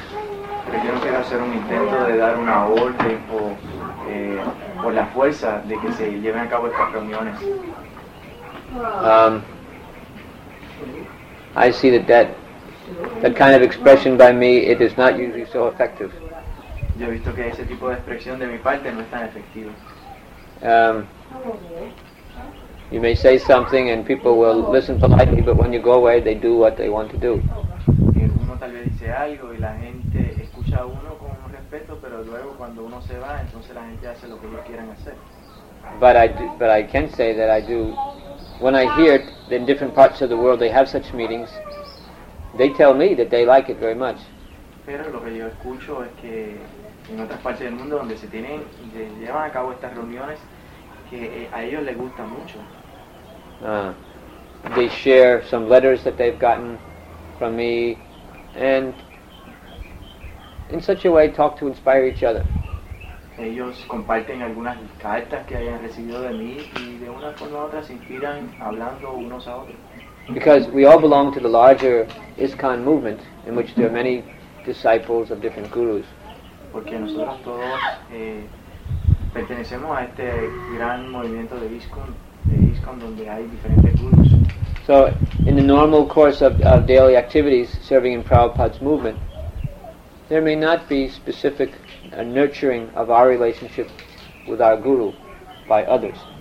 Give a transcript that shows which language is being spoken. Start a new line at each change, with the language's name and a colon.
English: I see that kind of expression by me, it is not usually so effective.
Spanish: Yo he visto que ese tipo de expresión de mi parte no es tan efectivo.
English: You may say something and people will listen politely, but when you go away, they do what they want to do.
Spanish: Uno tal vez dice algo y la gente escucha a uno con respeto, pero luego cuando uno se va, entonces la gente hace lo que ellos quieran hacer.
English: But I can say that I do. When I hear that in different parts of the world they have such meetings, they tell me that they like it very much.
Spanish: Pero lo que yo escucho es que en otras partes del mundo donde se tienen, se llevan a cabo estas reuniones, que a ellos les gusta mucho.
English: They share some letters that they've gotten from me, and in such a way talk to inspire each other.
Spanish: Ellos comparten algunas cartas que hayan recibido de mí y de una forma u otra se inspiran hablando unos a otros.
English: Because we all belong to the larger ISKCON movement in which there are many disciples of different gurus.
Spanish: Porque nosotros todos pertenecemos a este gran movimiento de ISKCON, donde hay diferentes gurus.
English: So, in the normal course of daily activities serving in Prabhupada's movement, there may not be specific nurturing of our relationship with our guru by others.